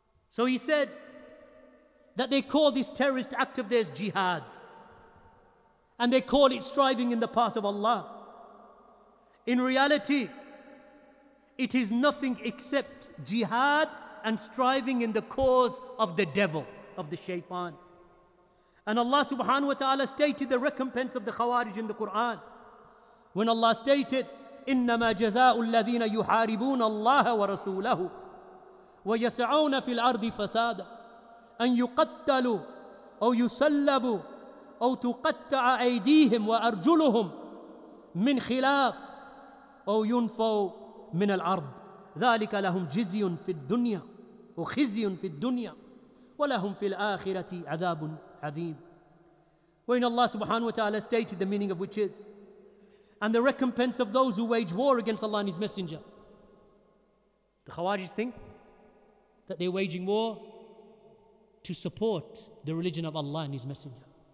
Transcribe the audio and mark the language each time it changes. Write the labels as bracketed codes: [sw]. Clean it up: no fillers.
[en] So he said that they call this terrorist act of theirs jihad, and they call it striving in the path of Allah. In reality, it is nothing except jihad and striving in the cause of the devil, of the shaytan. And Allah subhanahu wa ta'ala stated the recompense of the Khawarij in the Quran, when Allah stated, [ar] إِنَّمَا جَزَاءُ الَّذِينَ يُحَارِبُونَ اللَّهَ وَرَسُولَهُ وَيَسْعَوْنَ فِي الْأَرْضِ فَسَادًا أن يقتلوا أو يسلبوا أو تقطع أيديهم وأرجلهم من خلاف أو ينفوا من الأرض ذلك لهم جزي في الدنيا وخزي في الدنيا ولهم في الآخرة عذاب عظيم. [en] When Allah subhanahu wa ta'ala stated the meaning of which is, and the recompense of those who wage war against Allah and His Messenger. The Khawarij think that they're waging war to support the religion of Allah and His Messenger.